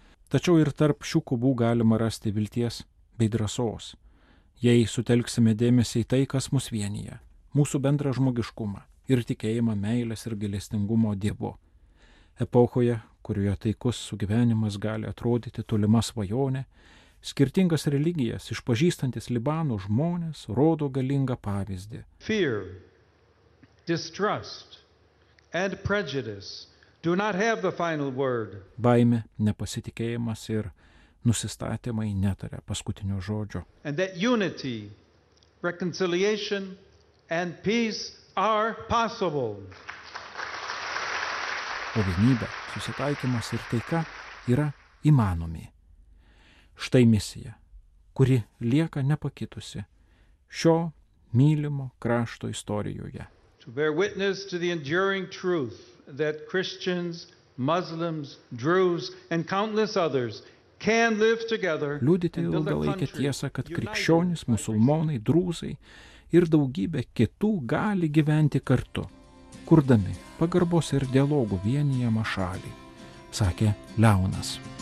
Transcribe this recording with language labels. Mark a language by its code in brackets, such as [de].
[lt] Tačiau ir tarp šių kubų galima rasti vilties bei drąsos, jei sutelksime dėmesį į tai, kas mus vienyje. Mūsų bendrą žmogiškumą ir tikėjimą meilės ir gailestingumo Dievu. Epochoje, kurioje taikus sugyvenimas gali atrodyti tolima svajonė, skirtingas religijas išpažįstantis Libano žmonės rodo galingą pavyzdį. [en] Fear, distrust and prejudice do not have the final word. [lt] Baimė, nepasitikėjimas ir nusistatymai netaria paskutinio žodžio. [en] And that unity, reconciliation and peace are possible. [lt] O vienybė, susitaikymas ir taika yra įmanomi. Štai misija, kuri lieka nepakitusi šio mylimo krašto istorijoje. [en] To bear witness to the enduring truth that Christians, Muslims, Druze and countless others can live together. [lt] Liudyti ilgalaikę tiesą, kad krikščionys, musulmonai, drūzai ir daugybė kitų gali gyventi kartu, kurdami pagarbos ir dialogų vienijamą šalį, sakė Leonas.